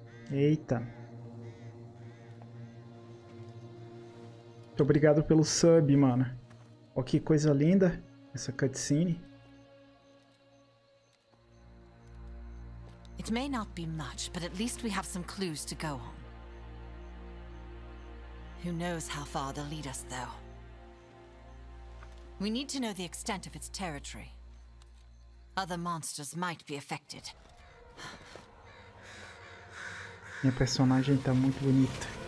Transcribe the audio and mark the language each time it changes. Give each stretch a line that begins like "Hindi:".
Portuguese: Eita. Muito obrigado pelo sub, mano. Ó, que coisa linda essa cutscene.
English: It may not be much, but at least we have some clues to go on. Who knows how far they'll lead us, though? We need to know the extent of its territory. Other monsters might be affected.
Portuguese: Minha personagem tá muito bonita.